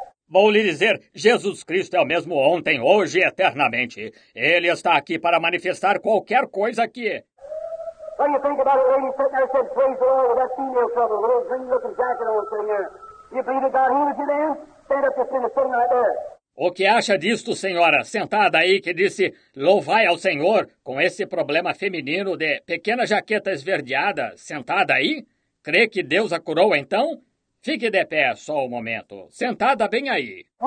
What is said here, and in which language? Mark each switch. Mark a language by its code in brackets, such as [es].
[pt] Vou lhe dizer, Jesus Cristo é o mesmo ontem, hoje e eternamente. Ele está aqui para manifestar qualquer coisa aqui. [en] What do you think about it, lady? Sitting there said, praise the Lord, with that female trouble, a little green-looking jacket on sitting there. You believe that God healed you there? Stand up, just sitting right there. [pt] O que acha disto, senhora, sentada aí, que disse, louvai ao Senhor, com esse problema feminino de pequena jaqueta esverdeada, sentada aí? Crê que Deus a curou, então? Fique de pé só um momento. Sentada bem aí.